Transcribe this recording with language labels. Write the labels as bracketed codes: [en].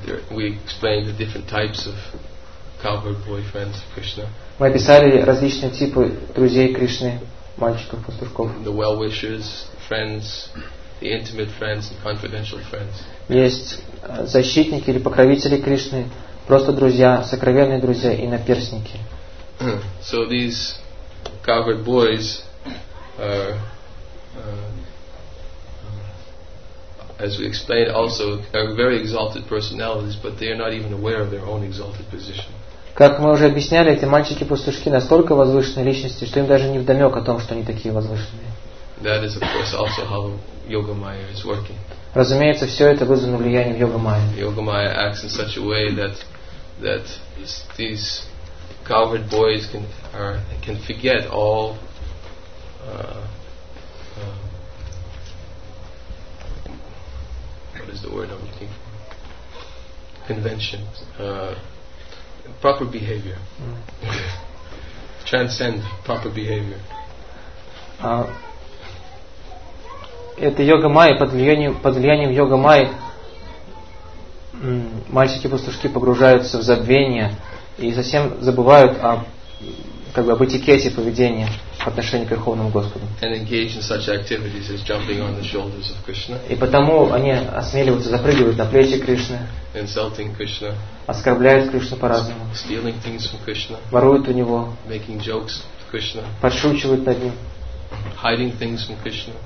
[en] We explained the different types of cowherd boyfriends of Krishna. [ru] Мы описали различные типы друзей Кришны, мальчиков-пастушков. [en] The well-wishers, friends, the intimate friends and confidential friends. [ru] Есть защитники или покровители Кришны, просто друзья, сокровенные друзья и наперсники. [en] So these cowherd boys as we explained also, are very exalted personalities, but they are not even aware of their own exalted position. [ru] Как мы уже объясняли, эти мальчики-пастушки настолько возвышенные личности, что им даже не вдомек о том, что они такие возвышенные. [en] That is, of course, also how Yoga Maya is working. [ru] Разумеется, все это вызвано влиянием Йога Майя. [en] Yoga Maya acts in such a way that these covered boys can forget all what is the word I'm looking for? Convention. Proper behavior. Transcend proper behavior. [ru] Это йога майя, под влиянием йога майя мальчики-пастушки погружаются в забвение и совсем забывают о, как бы, об этикете поведения в отношении к Верховному Господу. [en] And engage in such activities as jumping on the shoulders of Krishna. [ru] И потому они осмеливаются, запрыгивают на плечи Кришны. [en] Insulting Krishna. [ru] Оскорбляют Кришну по-разному. [en] Stealing things from Krishna. [ru] Воруют у него. [en] Making jokes to Krishna. [ru] Подшучивают над ним. [en] Hiding things from Krishna.